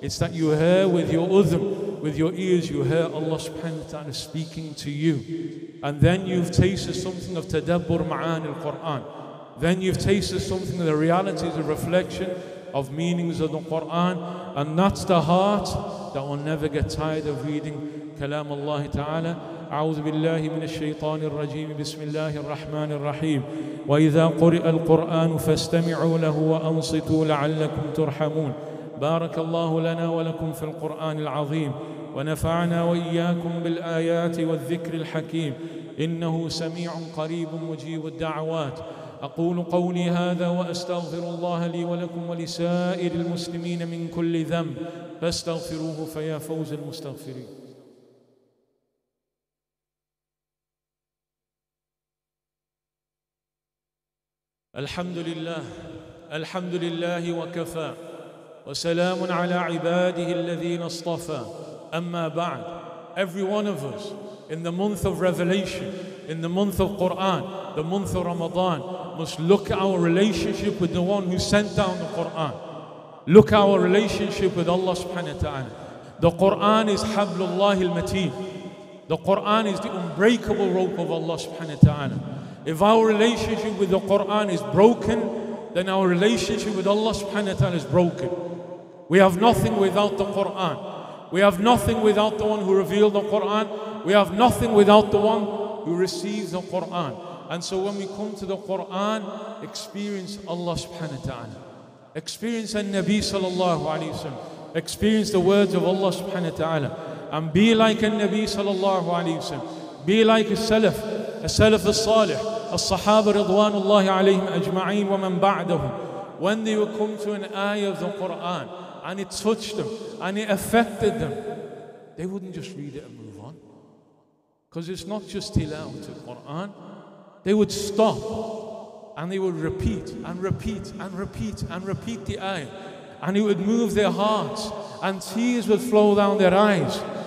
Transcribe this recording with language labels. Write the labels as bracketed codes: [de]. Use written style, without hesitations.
[en] It's that you hear with your udhm, with your ears, you hear Allah subhanahu wa ta'ala speaking to you. And then you've tasted something of tadabbur ma'an al-Qur'an. Then you've tasted something of the reality, the reflection of meanings of the Qur'an. And that's the heart that will never get tired of reading kalam Allah ta'ala. [ar] أعوذ بالله من الشيطان الرجيم بسم الله الرحمن الرحيم وإذا قرئ القرآن فاستمعوا له وأنصتوا لعلكم ترحمون. بارك الله لنا ولكم في القرآن العظيم ونفعنا وإياكم بالآيات والذكر الحكيم إنه سميع قريب مجيب الدعوات. أقول قولي هذا وأستغفر الله لي ولكم ولسائر المسلمين من كل ذنب فاستغفروه فيا فوز المستغفرين. الحمد لله الحمد لله وكفى وسلام على عباده الذين اصطفى. أما بعد, [en] every one of us in the month of revelation, in the month of Quran, the month of Ramadan, must look at our relationship with the one who sent down the Quran. Look at our relationship with Allah subhanahu wa ta'ala. The Quran is hablullah al-mateen. The Quran is the unbreakable rope of Allah subhanahu wa ta'ala. If our relationship with the Qur'an is broken, then our relationship with Allah subhanahu wa ta'ala is broken. We have nothing without the Qur'an. We have nothing without the one who revealed the Qur'an. We have nothing without the one who receives the Qur'an. And so when we come to the Qur'an, experience Allah subhanahu wa ta'ala. Experience an-Nabi sallallahu alayhi wa sallam. Experience the words of Allah subhanahu wa ta'ala. And be like an-Nabi sallallahu alayhi wa sallam. Be like a salaf. [ar] السلف الصالح الصحابة رضوان الله عليهم أجمعين ومن بعدهم. [en] When they would come to an ayah of the Quran and it touched them and it affected them, they wouldn't just read it and move on, because it's not just tilawat of Quran. They would stop and they would repeat and repeat and repeat and repeat the ayah, and it would move their hearts and tears would flow down their eyes.